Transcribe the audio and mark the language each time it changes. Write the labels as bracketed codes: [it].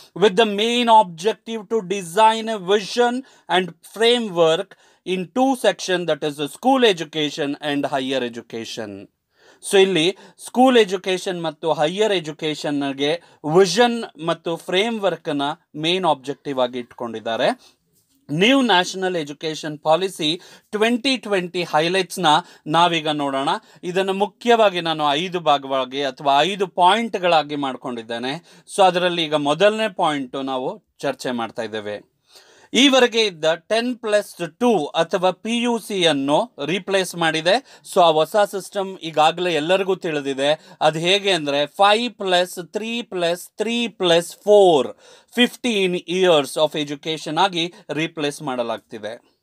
[en] With the main objective to design a vision and framework in two section, that is school education and higher education. [kn] So ಇಲ್ಲಿ school education ಮತ್ತು higher ಎಜುಕೇಷನ್ಗೆ vision ಮತ್ತು frame ವರ್ಕ್ನ main objective ಆಗಿ ಇಟ್ಕೊಂಡಿದ್ದಾರೆ. New National Education Policy 2020 ಹೈಲೈಟ್ಸ್ನ ನಾವೀಗ ನೋಡೋಣ. ಇದನ್ನು ಮುಖ್ಯವಾಗಿ ನಾನು 5 ಭಾಗವಾಗಿ ಅಥವಾ 5 ಪಾಯಿಂಟ್ಗಳಾಗಿ ಮಾಡಿಕೊಂಡಿದ್ದೇನೆ. ಸೊ ಅದರಲ್ಲಿ ಈಗ ಮೊದಲನೇ ಪಾಯಿಂಟು ನಾವು ಚರ್ಚೆ ಮಾಡ್ತಾ ಇದ್ದೇವೆ. ಈವರೆಗೆ ಇದ್ದ 10+2 ಅಥವಾ PUCಯನ್ನು ರೀಪ್ಲೇಸ್ ಮಾಡಿದೆ. ಸೊ ಆ ಹೊಸ ಸಿಸ್ಟಮ್ ಈಗಾಗಲೇ ಎಲ್ಲರಿಗೂ ತಿಳಿದಿದೆ. ಅದು ಹೇಗೆ ಅಂದರೆ 5+3+3+4 15 years ಆಫ್ ಎಜುಕೇಷನ್ ಆಗಿ ರೀಪ್ಲೇಸ್ ಮಾಡಲಾಗ್ತಿದೆ.